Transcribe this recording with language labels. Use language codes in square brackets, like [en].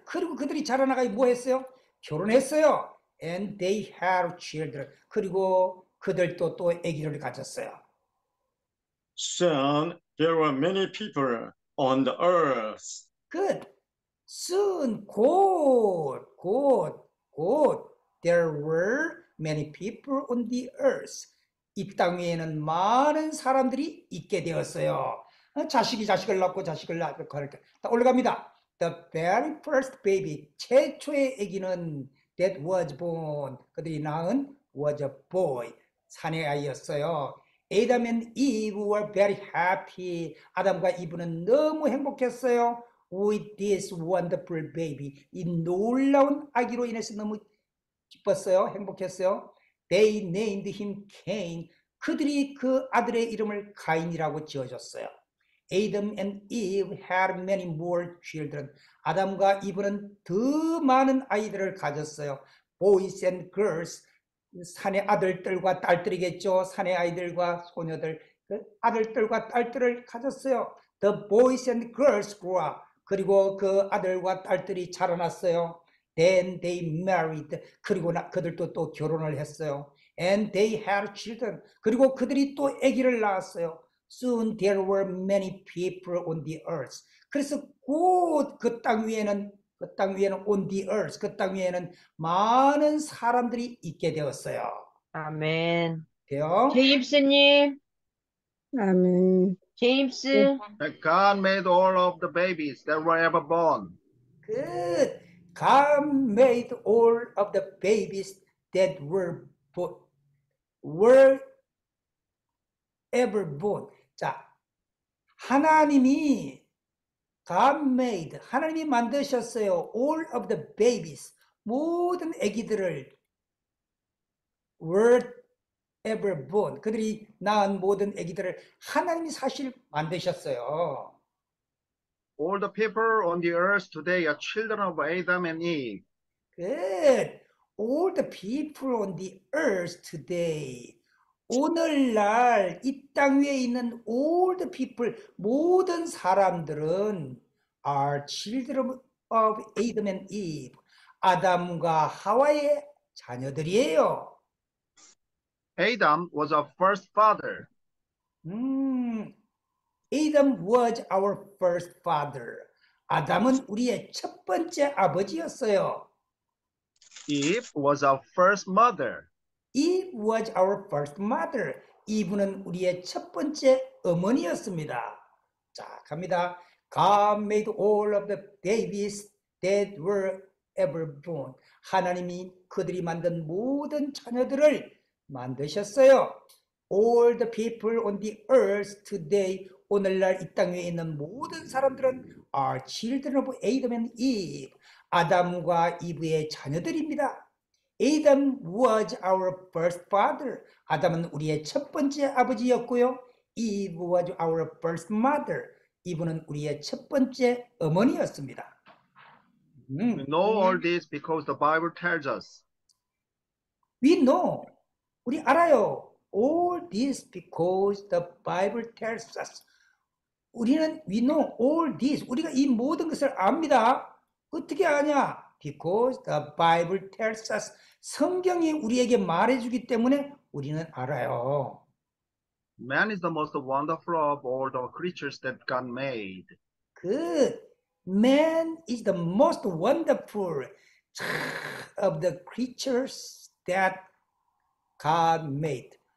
[ko] 그리고 그들이 자라나가 뭐 했어요? 결혼했어요. [en] And they had children. [ko] 그리고 그들도 또 아기를 가졌어요. [en] Soon there were many people on the earth. Good. Soon, good, good, good. There were many people on the earth. [ko] 이 땅 위에는 많은 사람들이 있게 되었어요. 자식이 자식을 낳고 자식을 낳을 거니까. 딱 올라갑니다. [en] The very first baby, [ko] 최초의 아기는 [en] that was born. [ko] 그들이 낳은 [en] was a boy. [ko] 사내 아이였어요. [en] Adam and Eve were very happy. [ko] 아담과 이브는 너무 행복했어요. [en] With this wonderful baby. [ko] 이 놀라운 아기로 인해서 너무 기뻤어요. 행복했어요. [en] They named him Cain. [ko] 그들이 그 아들의 이름을 가인이라고 지어줬어요. [en] Adam and Eve had many more children. [ko] 아담과 이브는 더 많은 아이들을 가졌어요. [en] Boys and girls. [ko] 산의 아들들과 딸들이겠죠. 산의 아이들과 소녀들, 그 아들들과 딸들을 가졌어요. [en] The boys and girls grew up. [ko] 그리고 그 아들과 딸들이 자라났어요. [en] Then they married. [ko] 그리고 그들도 또 결혼을 했어요. [en] And they had children. [ko] 그리고 그들이 또 아기를 낳았어요. [en] Soon there were many people on the earth. [ko] 그래서 곧 그 땅 위에는 [en] on the earth, [ko] 그 땅 위에는 많은 사람들이 있게 되었어요. 아멘. 돼요? 제임스님. 아멘. 제임스. [en] God made all of the babies that were ever born. Good. God made all of the babies that were ever born. [ko] 자, 하나님이 [en] God made, [ko] 하나님이 만드셨어요. [en] All of the babies, [ko] 모든 아기들을 [en] were ever born. [ko] 그들이 낳은 모든 아기들을 하나님이 사실 만드셨어요. [en] All the people on the earth today are children of Adam and Eve. Good. All the people on the earth today. [ko] 오늘날 이 땅 위에 있는 [en] all the people, [ko] 모든 사람들은 [en] are children of Adam and Eve. [ko] 아담과 하와의 자녀들이에요. [en] Adam was our first father. Adam was our first father. [ko] 아담은 우리의 첫 번째 아버지였어요. [en] Eve was our first mother. Eve was our first mother. [ko] 이브는 우리의 첫 번째 어머니였습니다. 자, 갑니다. [en] God made all of the babies that were ever born. [ko] 하나님이 그들이 만든 모든 자녀들을 만드셨어요. [en] All the people on the earth today, [ko] 오늘날 이 땅 위에 있는 모든 사람들은 [en] are children of Adam and Eve. [ko] 아담과 이브의 자녀들입니다. [en] Adam was our first father. [ko] 아담은 우리의 첫 번째 아버지였고요. [en] Eve was our first mother. [ko] 이분은 우리의 첫 번째 어머니였습니다. [en] We know all this because the Bible tells us. We know. [ko] 우리 알아요. [en] All this because the Bible tells us. [ko] 우리는 [en] we know all this. [ko] 우리가 이 모든 것을 압니다. 어떻게 아냐? [en] Because the Bible tells us. [ko] 성경이 우리에게 말해주기 때문에 우리는 알아요. [en] Man is the most wonderful of all the creatures that God made. Good. Man is the most wonderful of the creatures that God made.